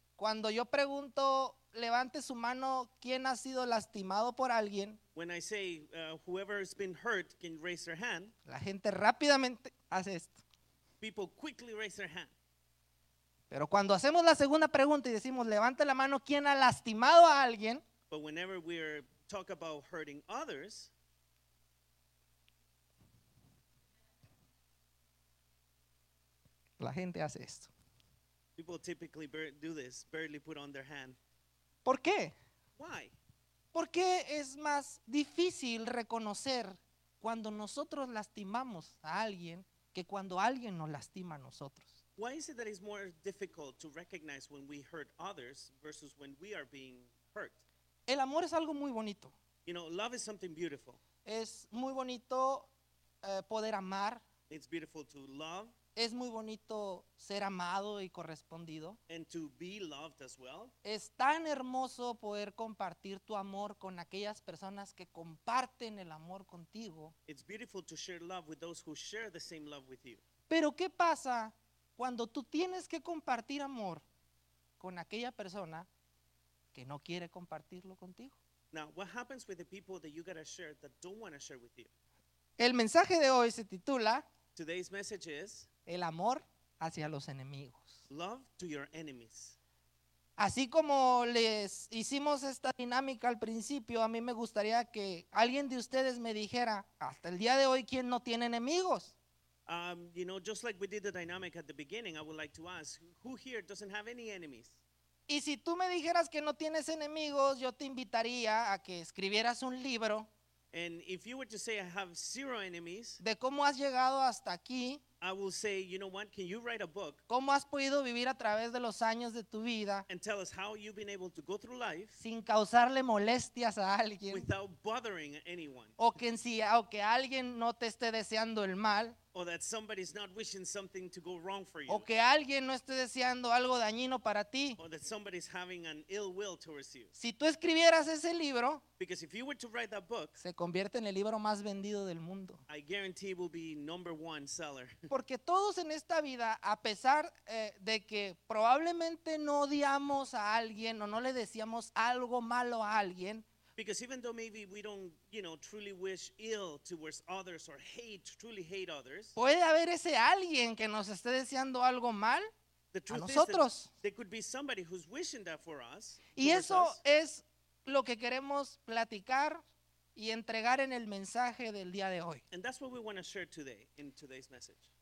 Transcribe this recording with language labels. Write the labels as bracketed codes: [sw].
[es] Cuando yo pregunto, levante su mano, ¿quién ha sido lastimado por alguien? [en] When I say, whoever has been hurt can raise their hand. [es] La gente rápidamente hace esto. [en] People quickly raise their hand. [es] Pero cuando hacemos la segunda pregunta y decimos, levante la mano, ¿quién ha lastimado a alguien? [en] But whenever we talk about hurting others, [es] la gente hace esto. [en] People typically do this, barely put on their hand. [es] ¿Por qué? [en] Why? [es] Porque es más difícil reconocer cuando nosotros lastimamos a alguien que cuando alguien nos lastima a nosotros. [en] Why is it that it's more difficult to recognize when we hurt others versus when we are being hurt? [es] El amor es algo muy bonito. [en] You know, love is something beautiful. [es] Es muy bonito poder amar. [en] It's beautiful to love. [es] Es muy bonito ser amado y correspondido. [en] And to be loved as well. [es] Es tan hermoso poder compartir tu amor con aquellas personas que comparten el amor contigo. [en] It's beautiful to share love with those who share the same love with you. [es] Pero ¿qué pasa cuando tú tienes que compartir amor con aquella persona que no quiere compartirlo contigo? [en] Now, what happens with the people that you gotta share that don't wanna share with you? [es] El mensaje de hoy se titula [en] Today's message is [es] El amor hacia los enemigos. [en] Love to your enemies. [es] Así como les hicimos esta dinámica al principio, a mí me gustaría que alguien de ustedes me dijera hasta el día de hoy quién no tiene enemigos. [en] You know, just like we did the dynamic at the beginning, I would like to ask, who here doesn't have any enemies? [es] Y si tú me dijeras que no tienes enemigos, yo te invitaría a que escribieras un libro. [en] And if you were to say I have zero enemies, [es] de cómo has llegado hasta aquí, [en] I will say, you know what, can you write a book? [es] ¿Cómo has podido vivir a través de los años de tu vida? [en] And tell us how you've been able to go through life [es] sin causarle molestias a alguien. [en] Without bothering anyone. [es] O que, si, o que alguien no te esté deseando el mal. [en] Or that somebody's not wishing something to go wrong for you. [es] O que alguien no esté deseando algo dañino para ti. [en] Or that somebody's having an ill will towards you. [es] Si tú escribieras ese libro, [en] because if you were to write that book, [es] se convierte en el libro más vendido del mundo. [en] I guarantee it will be number one seller. [es] Porque todos en esta vida, a pesar de que probablemente no odiamos a alguien o no le decíamos algo malo a alguien, [en] because even though maybe we don't, you know, truly wish ill towards others or hate, truly hate others, [es] puede haber ese alguien que nos esté deseando algo mal a nosotros. [en] There could be somebody who's wishing that for us. [es] Y eso es lo que queremos platicar y entregar en el mensaje del día de hoy. [en] And that's what we want to share today in today's message.